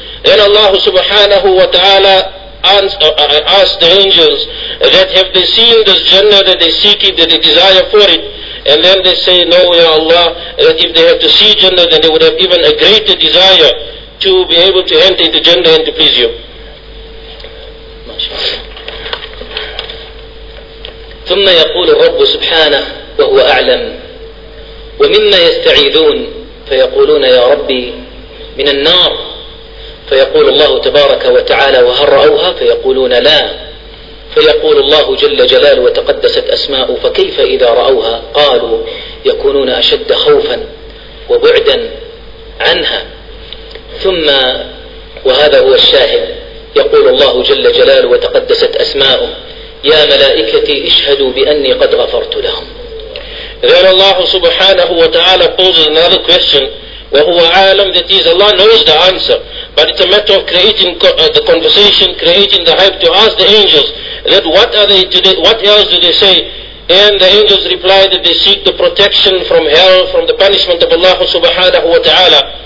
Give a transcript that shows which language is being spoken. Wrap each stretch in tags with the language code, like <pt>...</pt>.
<en>Then Allah subhanahu wa ta'ala asked the angels that have they seen this Jannah that they seek it, that they desire for it. And then they say, no, ya Allah, that if they have to see Jannah, then they would have even a greater desire to be able to enter into Jannah and to please you.</en> <ar>ثم يقول الرب سبحانه وهو أعلم: ومما يستعيذون؟ فيقولون: يا ربي، من النار. فيقول الله تبارك وتعالى: وهل رأوها؟ فيقولون: لا. فيقول الله جل جلال وتقدست أسماء: فكيف إذا رأوها؟ قالوا: يكونون أشد خوفا وبعدا عنها. ثم، وهذا هو الشاهد، يقول الله جل جلال وتقدست أسماء: يا ملائكتي اشهدوا بأني قد غفرت لهم.</ar> <en>Then Allah subhanahu wa ta'ala poses another question,</en> <ar>وهو عالم،</ar> <en>that is Allah knows the answer. But it's a matter of creating the conversation, creating the hype to ask the angels that what else do they say? And the angels reply that they seek the protection from hell, from the punishment of Allah subhanahu wa ta'ala.</en>